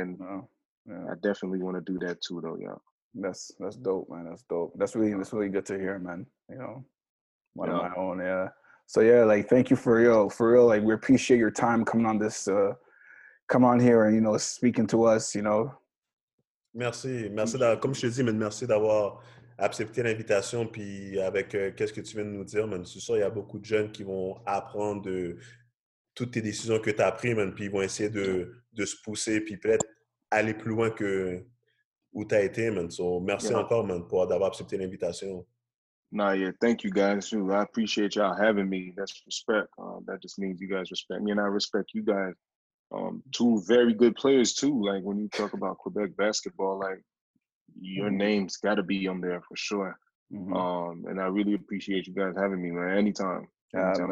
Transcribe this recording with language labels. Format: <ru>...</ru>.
<en>And I definitely want to do that too, though, y'all. That's dope, man. That's dope. That's really good to hear, man. You know, one of my own. Yeah. So yeah, like, thank you for real. For real, like, we appreciate your time coming on this, come on here and, you know, speaking to us, you know.</en> <fr>Merci. Comme je te dis, man, merci d'avoir accepté l'invitation. Puis avec qu'est-ce que tu viens de nous dire, man, c'est sûr, il y a beaucoup de jeunes qui vont apprendre de toutes tes décisions que tu as prises, man. Puis ils vont essayer de se pousser, puis peut-être aller plus loin que où tu as été, man. So, merci encore, man, pour d'avoir accepté l'invitation.</fr> <en>Nah, yeah, thank you guys. I appreciate y'all having me. That's respect. That just means you guys respect me, and I respect you guys. Two very good players too. Like, when you talk about Quebec basketball, like, your name's got to be on there for sure. And I really appreciate you guys having me, man. Anytime, man.</en>